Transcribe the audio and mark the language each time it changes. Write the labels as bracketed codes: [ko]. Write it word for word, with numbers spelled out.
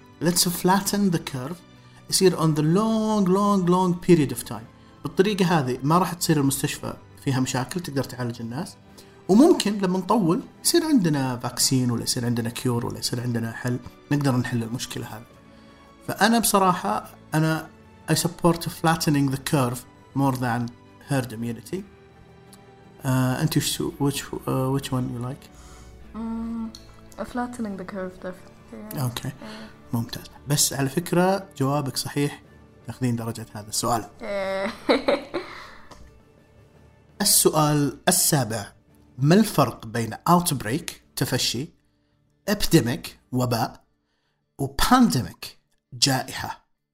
[en] Let's flatten the curve، [ar] يصير [en] on the long long long period of time. [ar] بالطريقة هذه ما راح تصير المستشفى فيها مشاكل، تقدر تعالج الناس، وممكن لما نطول يصير عندنا فاكسين ولا يصير عندنا كيور ولا يصير عندنا حل، نقدر نحل المشكلة هذه. فأنا بصراحة أنا [en] I support flattening the curve more than herd immunity. Uh, and you, which uh, which one you like? Mm, flattening the curve definitely. Yeah. Okay. Yeah. [ar] ممتاز. بس على فكرة جوابك صحيح، تاخذين درجة هذا السؤال. السؤال السابع: ما الفرق بين outbreak تفشي, epidemic وباء, و pandemic جائحة.